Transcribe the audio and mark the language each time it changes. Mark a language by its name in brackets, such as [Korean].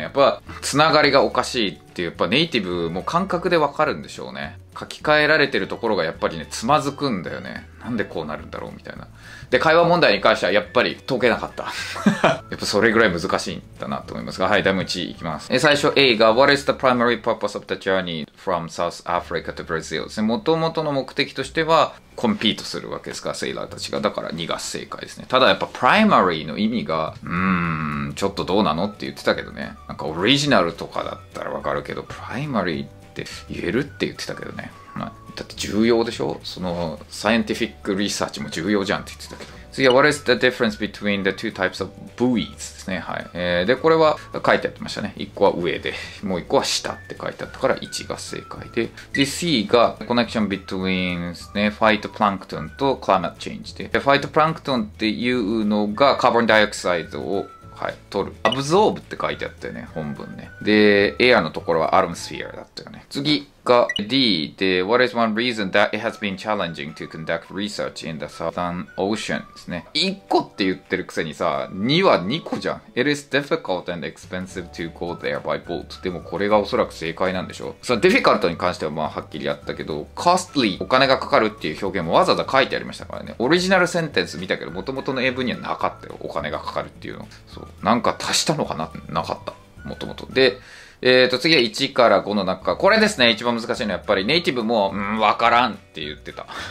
[Japanese] やっぱ、つながりがおかしいっていう、やっぱネイティブも感覚でわかるんでしょうね。書き換えられてるところがやっぱりね、つまずくんだよね。なんでこうなるんだろうみたいな。で、会話問題に関してはやっぱり解けなかった。やっぱそれぐらい難しいんだなと思いますが、はい、ダム1いきます。最初 A が [English] What is the primary purpose of the journey from South Africa to Brazil? [Japanese] ですね、元々の目的としてはコンピートするわけですか、セイラーたちが。だから2が正解ですね。ただやっぱ primary の意味がちょっとどうなのって言ってたけどね。なんかオリジナルとかだったらわかるけど、 primary って言えるって言ってたけどね。まあだって重要でしょ、そのサイエンティフィックリサーチも重要じゃんって言ってたけど。次は [English] What is the difference between the two types of buoys [Japanese] ですね。はい、でこれは書いてあってましたね。1個は上でもう1個は下って書いてあったから1が正解で、で C が Connection between ですね、ファイトプランクトンとクライマットチェンジで、ファイトプランクトンっていうのがカーボンダイオクサイドを、はい、取る。アブゾーブって書いてあったよね本文ね。でエアのところはアトムスフィアだったよね。次が D で [English] What is one reason that it has been challenging to conduct research in the Southern Ocean [Japanese] ですね。 1個って言ってるくせにさ、2は2個じゃん。 [English] It is difficult and expensive to go there by boat。 [Japanese] でもこれがおそらく正解なんでしょう。その difficult に関してはまあはっきりやったけど、 costly お金がかかるっていう表現もわざわざ書いてありましたからね。オリジナルセンテンス見たけど、元々の英文にはなかったよ、お金がかかるっていうの。そう、なんか足したのかな、なかった元々で。次は1から5の中、これですね、一番難しいのはやっぱりネイティブも、わからんって言ってた。